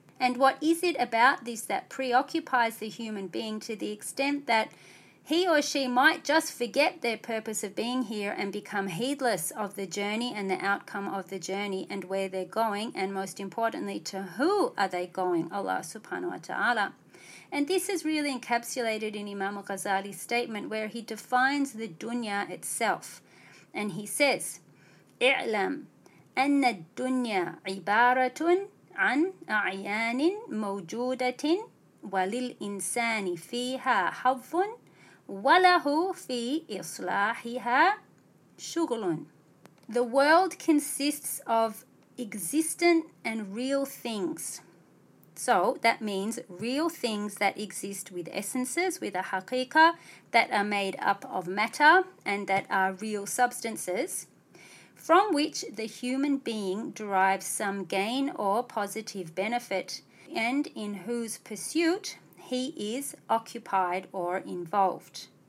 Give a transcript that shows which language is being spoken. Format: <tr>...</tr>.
<en>And what is it about this that preoccupies the human being to the extent that he or she might just forget their purpose of being here and become heedless of the journey and the outcome of the journey and where they're going, and most importantly, to who are they going? Allah subhanahu wa ta'ala. And this is really encapsulated in Imam Ghazali's statement, where he defines the dunya itself. And he says,</en> <ar>اعلم أن الدنيا عبارة عن أعيان موجودة وللإنسان فيها حظ وَلَهُ فِي إِصْلَاحِهَا شُغْلٌ.</ar> <en>The world consists of existent and real things. So that means real things that exist with essences, with a haqiqa, that are made up of matter and that are real substances, from which the human being derives some gain or positive benefit, and in whose pursuit he is occupied or involved.</en>